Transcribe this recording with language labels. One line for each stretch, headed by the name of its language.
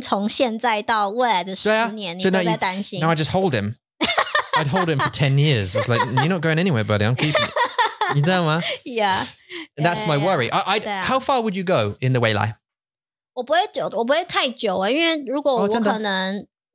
Chinese: 对,就是会让你担心从现在到未来的十年,你都在担心。
English: No, I just hold him. I'd hold him for 10 years. It's like, you're not going anywhere, buddy. I'm keeping it.
Chinese: 你知道吗?
English: Yeah. That's my worry. How far would you go in the 未来?
Chinese: 我不会太久,因为如果我可能...